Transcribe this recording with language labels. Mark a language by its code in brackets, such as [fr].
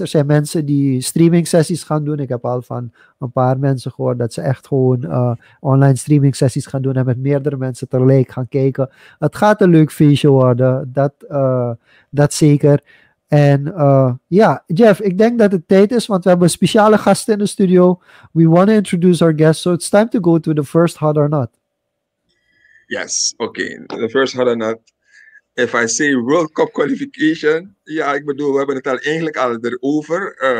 [nl] Er zijn mensen die streaming sessies gaan doen. Ik heb al van een paar mensen gehoord dat ze echt gewoon online streaming sessies gaan doen en met meerdere mensen tegelijk gaan kijken. Het gaat een leuk feestje worden, dat zeker. En ja, Jeff, ik denk dat het tijd is, want we hebben een speciale gast in de studio. [en] We want to introduce our guest, so it's time to go to the first Hot or Not. Yes, okay, the first Hot or Not. If I say World Cup qualification, [nl] ja, ik bedoel, we hebben het al eigenlijk al erover.